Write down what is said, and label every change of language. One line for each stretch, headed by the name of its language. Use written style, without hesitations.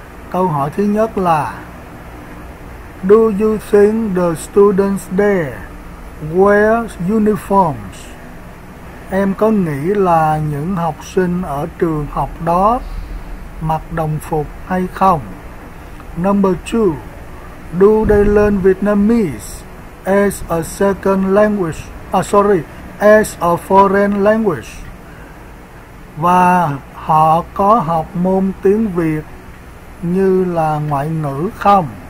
Vietnamese: Câu hỏi thứ nhất là
English: Do you think the students there wear uniforms?
Vietnamese: Em có nghĩ là những học sinh ở trường học đó mặc đồng phục hay không?
English: Number two, do they learn Vietnamese as a second language? As a foreign language.
Vietnamese: Và họ có học môn tiếng Việt như là ngoại ngữ không?